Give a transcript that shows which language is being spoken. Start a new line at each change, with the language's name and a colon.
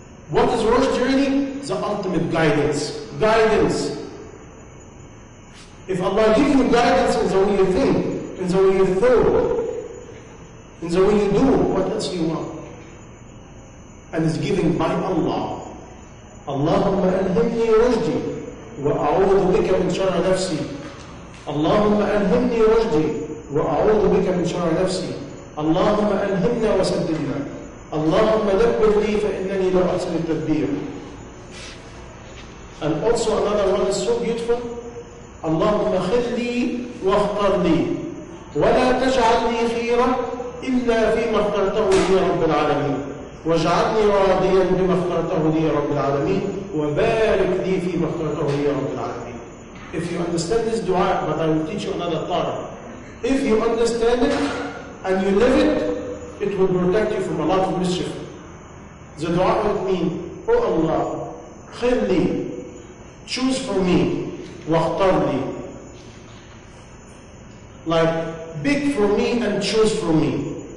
English: What is rushd really? The ultimate guidance. Guidance. If Allah gives you guidance in the way you think, in the way you thought, in the way you do, what else do you want? And it's given by Allah.
Arabic: اللهم ألهمني رشدي وأعوذ بك من شر نفسي. اللهم ألهمني رشدي وأعوذ بك من شر نفسي. اللهم ألهمنا وسددنا. اللهم دبر لي فإنني لا أحسن التدبير.
English: And also another one is so beautiful.
Arabic: اللهم خذ لي واختر لي ولا تجعل لي خيرا إلا فيما اخترته لي رب العالمين. واجعلني راضيا بما اخترته لي رب العالمين وبارك لي فيما اخترته لي رب العالمين.
English: If you understand this dua, but I will teach you another tara. If you understand it and you live it, it will protect you from a lot of mischief. The dua would mean, O Allah,
Arabic: خذ لي,
English: choose for me,
Arabic: واختر لي,
English: like pick for me and choose for me.